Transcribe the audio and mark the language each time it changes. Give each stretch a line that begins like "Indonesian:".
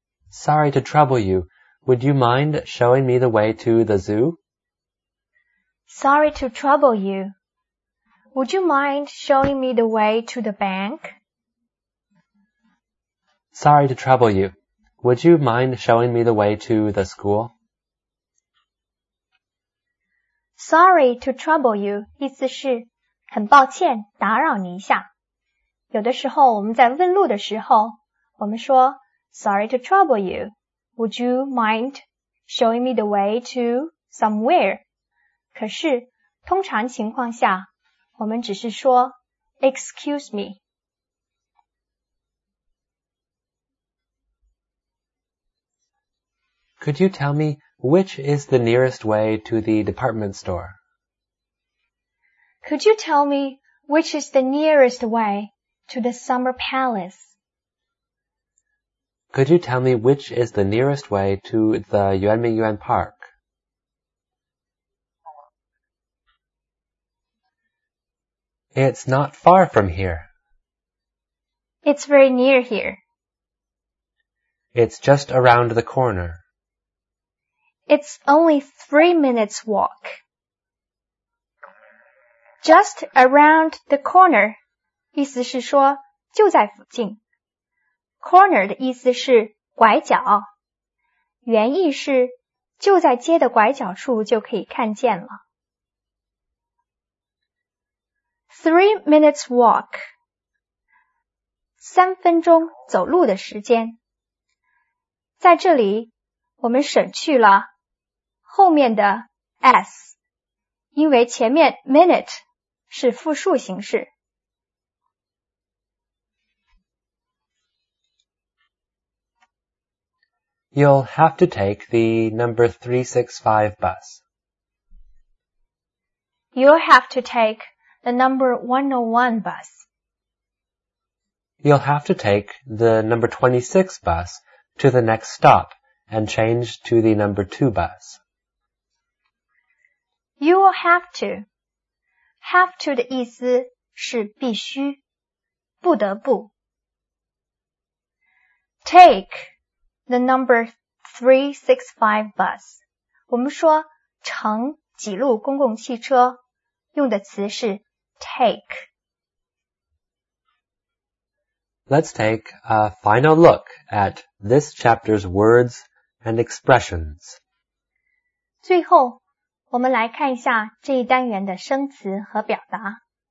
English: Sorry to trouble you. Would you mind showing me the way to the zoo? Sorry to trouble you. Would you mind showing me the way to the bank? Sorry to trouble you. Would you mind showing me the way to the school? Sorry to trouble you,
Chinese: 意思是很抱歉打扰你一下。有的时候我们在问路的时候，我们说
English: Sorry to trouble you, would you mind showing me the way to somewhere?
Chinese: 可是通常情况下，我们只是说
English: Excuse me. Could you tell me which is the nearest way to the department store? Could you tell me which is the nearest way to the Summer Palace? Could you tell me which is the nearest way to the Yuanmingyuan Park? It's not far from here. It's very near here. It's just around the corner. It's only 3 minutes walk. Just around the corner,
Chinese: 意思是说就在附近。 Corner 的意思是拐角。原意是就在街的拐角处就可以看见了。
English: 3 minutes walk.
Chinese: 三分钟走路的时间。在这里我们省去了后面的 s, 因为前面 minute 是复数形式。
English: You'll have to take the number 365 bus. You'll have to take the number 101 bus. You'll have to take the number 26 bus to the next stop and change to the number 2 bus. You will have to. Have to
Chinese: 的意思是必须，不得不。
English: Take the number 365 bus.
Chinese: 我们说乘几路公共汽车，用的词是 take。
English: Let's take a final look at this chapter's words and expressions.
Chinese: 最后，我们来看一下这一单元的生词和表达。